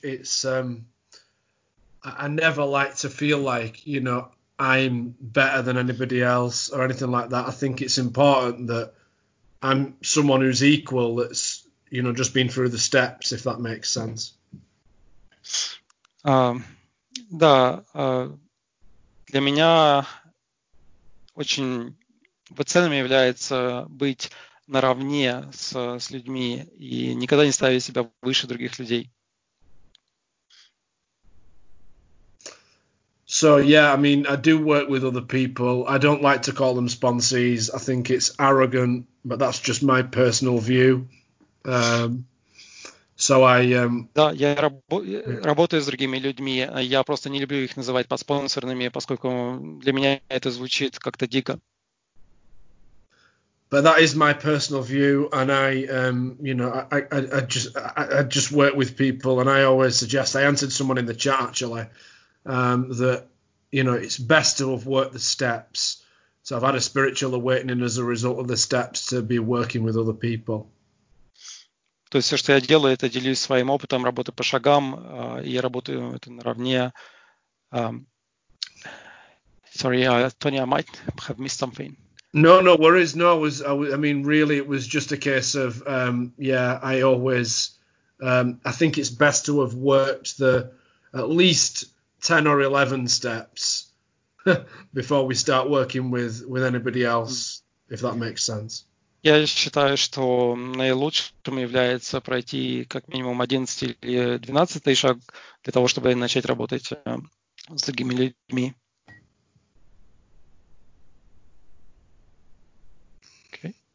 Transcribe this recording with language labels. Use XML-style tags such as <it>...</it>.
<en>It's I never like to feel like, you know, I'm better than anybody else or anything like that. I think it's important that I'm someone who's equal, that's, you know, just been through the steps, if that makes sense.</en> <ru>Да, для меня очень ценным является быть наравне с людьми и никогда не ставить себя выше других людей.</ru> <en>So, yeah, I mean, I do work with other people. I don't like to call them sponsees. I think it's arrogant, but that's just my personal view.</en> <ru>Да, я работаю с другими людьми. Я просто не люблю их называть подспонсорными, поскольку для меня это звучит как-то дико.</ru> <en>But that is my personal view, and I, you know, I just work with people, and I always suggest, I answered someone in the chat, actually, that, you know, it's best to have worked the steps. So I've had a spiritual awakening as a result of the steps to be working with other people.</en> <ru>То есть все, что я делаю, это делюсь своим опытом работы по шагам, и я работаю это наравне.</ru> <en>Sorry, Tony, I might have missed something. No worries. No, I mean, really, it was just a case of, I think it's best to have worked the at least 10 or 11 steps before we start working with anybody else, if that makes sense.</en> <ru>Я считаю, что наилучшим является пройти как минимум 11 или 12 шаг для того, чтобы начать работать с другими людьми.</ru> <en>Okay.</en>